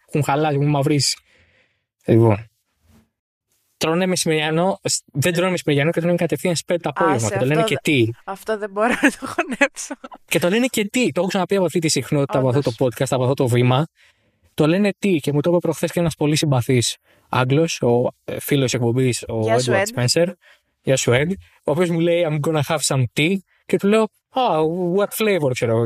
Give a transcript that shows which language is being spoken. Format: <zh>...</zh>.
<el>Έχουν χαλάσει, έχουν μαυρίσει. Λοιπόν. Τρώνε μεσημεριανό, δεν τρώνε μεσημεριανό και τρώνε κατευθείαν σπέτ το απόγευμα. Και το λένε και τι. Αυτό δεν μπορώ να το χωνέψω. Και το λένε και τι. Το έχω ξαναπεί από αυτή τη συχνότητα, όντως, από αυτό το podcast, από αυτό το βήμα. Το λένε τι. Και μου το είπε προχθές και ένας πολύ συμπαθής Άγγλος, ο φίλος εκπομπής, ο Edward Spencer. Γεια σου, Ed.</el> <en>Ο οποίος μου λέει: I'm gonna have some tea.</en> <el>Και του λέω: oh, what flavor, ξέρω εγώ.</el>